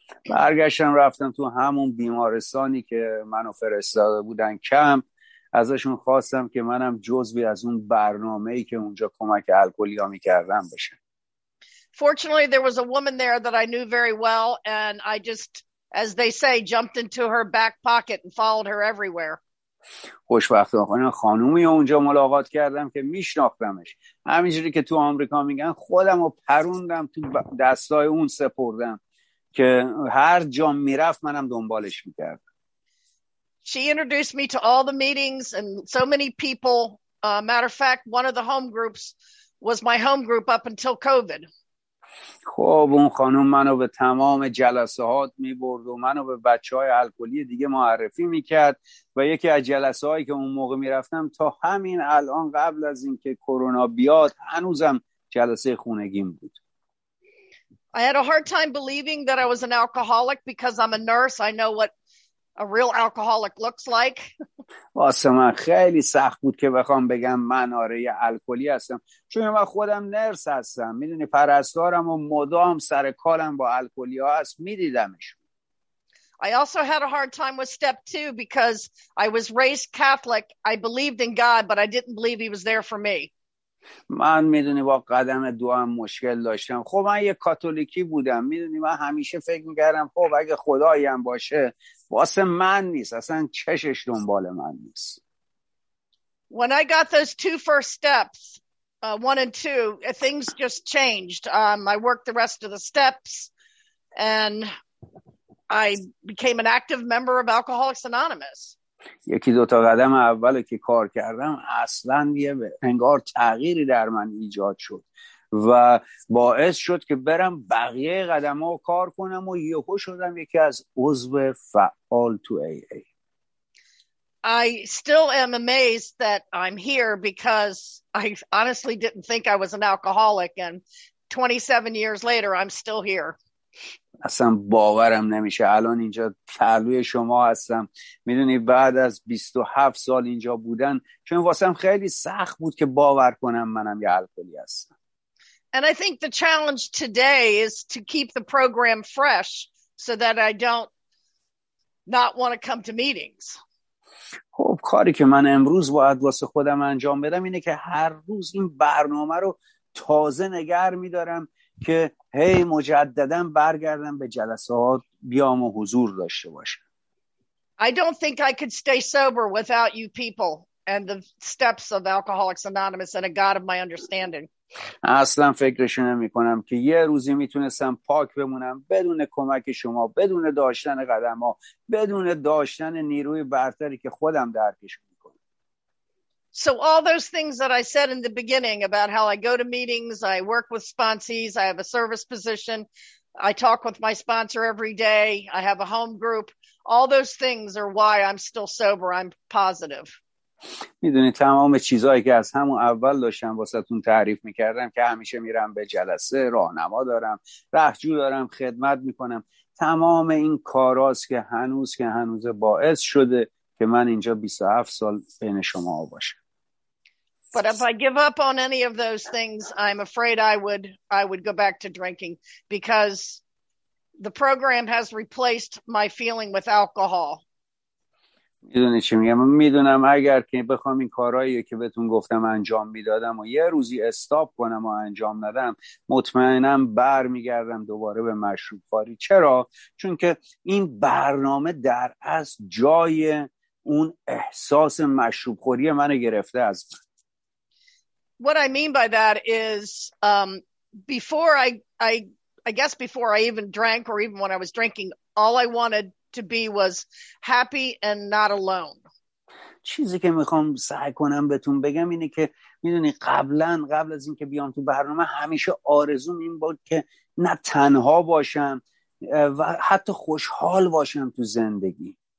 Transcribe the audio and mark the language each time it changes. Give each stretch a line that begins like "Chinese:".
Persian: برگشتم رفتم تو همون بیمارستانی که منو فرستاده بودن کمپ، ازشون خواستم که منم جزوی از اون برنامه‌ای که اونجا کمک الکلی ها می‌کردم بشم.
English: Fortunately there was a woman there that I knew very well and I just, as they say, jumped into her back pocket and followed her everywhere.
Persian: خوشبختانه خانومی اونجا ملاقات کردم که میشناختمش. همینجوری که تو آمریکا میگن خودمو پروندم تو دستای اون سپردم که هر جا میرفت منم دنبالش میکردم.
English: She introduced me to all the meetings and so many people. Matter of fact, one of the home groups was my home group up until COVID.
Persian: خب اون خانم منو به تمام جلسات میبرد و منو به بچهای الکلی دیگه معرفی میکرد و یکی از جلسهایی که اون موقع میرفتم تا همین الان قبل از اینکه کرونا بیاد هنوزم جلسه خونگیم بود.
English: I had a hard time believing that I was an alcoholic because I'm a nurse. I know what a real alcoholic looks like.
Persian: واسه من خیلی سخت بود که بخوام بگم من آره یه الکلی هستم، چون من خودم نرس هستم، میدونی پرستارم و مدام سر کارم با الکلی ها هست، میدیدمش.
English: I also had a hard time with step two because I was raised Catholic. I believed in God, but I didn't believe he was there for me.
Persian: من میدونی با قدم دو هم مشکل داشتم. خب من یه کاتولیکی بودم، میدونی من همیشه فکر میکردم خب اگه خدایی هم باشه واسه من نیست، اصلا چشش دنبال من نیست.
English: When I got those two first steps, one and two, things just changed. I worked the rest of the steps and I became an active member of Alcoholics Anonymous.
Persian: یکی دوتا قدم اول که کار کردم اصلا یه انگار تغییری در من ایجاد شد و باعث شد که برم بقیه قدم ها کار کنم و یهو شدم یکی از عضو فعال تو AA.
English: I still am amazed that I'm here because I honestly didn't think I was an alcoholic and 27 years later I'm still here.
Persian: اصلا باورم نمیشه الان اینجا تعلوی شما هستم، میدونی بعد از 27 سال اینجا بودن، چون واسم خیلی سخت بود که باور کنم منم یه الکلی هستم.
English: And I think the challenge today is to keep the program fresh so that I don't not want to come to meetings.
Persian: خب کاری که من امروز باید واسه خودم انجام بدم اینه که هر روز این برنامه رو تازه نگر میدارم که هی مجدداً برگردم به جلسات بیام و حضور داشته باشم.
English: I don't think I could stay sober without you people and the steps of Alcoholics Anonymous and a God of my understanding.
Persian: اصلا فکرش نمی‌کنم که یه روزی میتونستم پاک بمونم بدون کمک شما، بدون داشتن قدم‌ها، بدون داشتن نیروی برتری که خودم درکش می‌کنم.
English: So all those things that I said in the beginning about how I go to meetings, I work with sponsees, I have a service position, I talk with my sponsor every day, I have a home group, all those things are why I'm still sober, I'm positive.
Persian: میدونی تمام چیزهایی که از همون اول داشتم واسه تون تعریف میکردم که همیشه میرم به جلسه، راهنما دارم، رهجو دارم، خدمت میکنم، تمام این کاراست که هنوز که هنوز باعث شده که من اینجا 27 سال بین شما باشم.
English: But if I give up on any of those things, I'm afraid I would go back to drinking because the program has replaced my feeling with alcohol.
Persian: میدونی چی میگم؟ میدونم اگر که بخوام این کارهایی که بهتون گفتم انجام میدادم و یه روزی استاپ کنم و انجام ندم، مطمئنم بر میگردم دوباره به مشروب خوری. چرا؟ چون که این برنامه در از جای اون احساس مشروب خوری منو گرفته از من.
English: What I mean by that is before I even drank or even when I was drinking, all I wanted to be was happy and not alone.
Persian: چیزی که میخوام سعی کنم بهتون بگم اینه که میدونی قبل از اینکه بیام تو برنامه همیشه آرزوم این بود که نه تنها باشم و حتی خوشحال باشم تو زندگی.